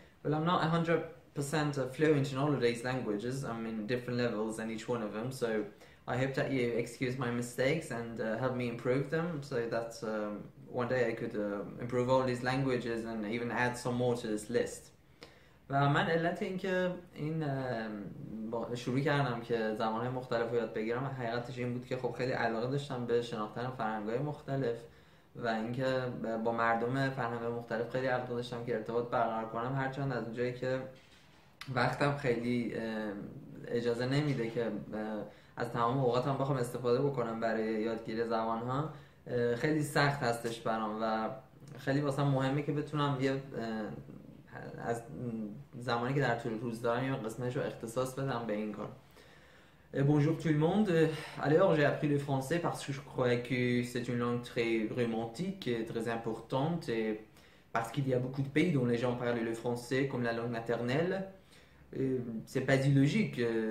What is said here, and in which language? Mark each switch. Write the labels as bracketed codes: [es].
[en] Well, I'm not 100% fluent in all of these languages, I'm in different levels in each one of them. So I hope that you excuse my mistakes and help me improve them so that one day I could improve all these languages and even add some more to this list. [fa] و من علت این که این شروع کردم که زبان‌های مختلف رو یاد بگیرم حقیقتش این بود که خب خیلی علاقه داشتم به شناختن فرهنگ‌های مختلف و اینکه با مردم فرهنگ‌های مختلف خیلی علاقه داشتم که ارتباط برقرار کنم، هرچند از اونجایی که وقتم خیلی اجازه نمیده که از تمام اوقاتم بخوام استفاده بکنم برای یادگیری زبان‌ها، خیلی سخت هستش برام و خیلی واسم مهمه که بتونم یه از زمانی که در طول روز دارم یه قسمتش رو اختصاص بدم به این کار. [fr] Bonjour tout le monde. Alors, j'ai appris le français parce que je croyais que c'est une langue très romantique et très importante et parce qu'il y a beaucoup de pays dont les gens parlent le français comme la langue maternelle. C'est pas illogique.